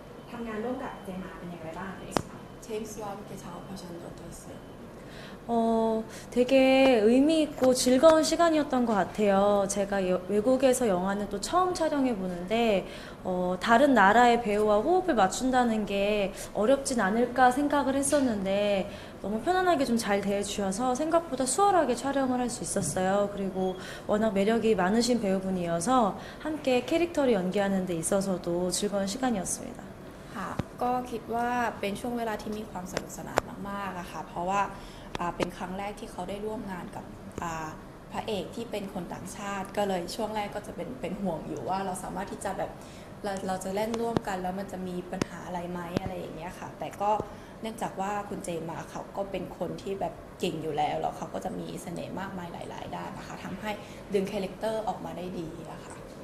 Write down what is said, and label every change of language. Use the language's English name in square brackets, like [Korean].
[Thai] ทำงานร่วมกับเจมาเป็นอย่างไรบ้างเอง [Korean] 제임스와 함께 작업하셨는데 어떠셨어요? 되게 의미 있고 즐거운 시간이었던 것 같아요. 제가 외국에서 영화는 또 처음 촬영해 보는데 다른 나라의 배우와 호흡을 맞춘다는 게 어렵진 않을까 생각을 했었는데 너무 편안하게 좀 잘 대해주셔서 생각보다 수월하게 촬영을 할 수 있었어요. 그리고 워낙 매력이 많으신 배우분이어서 함께 캐릭터를 연기하는 데 있어서도 즐거운 시간이었습니다. [Thai] 아,ก็ คิดว่าเป็นช่วงเวลาที่มีความสนุกสนานมากๆอ่ะค่ะเพราะว่าเป็นครั้งแรกที่เขาได้ร่วมงานกับพระเอกที่เป็นคนต่างชาติก็เลยช่วงแรกก็จะเป็นห่วงอยู่ว่าเราสามารถที่จะแบบเราจะเล่นร่วมกันแล้วมันจะมีปัญหาอะไรไหมอะไรอย่างเงี้ยค่ะแต่ก็เนื่องจากว่าคุณเจมาเขาก็เป็นคนที่แบบเก่งอยู่แล้วเขาก็จะมีเสน่ห์มากมายหลายๆด้านนะคะทำให้ดึงคาแรคเตอร์ออกมาได้ดีอะค่ะ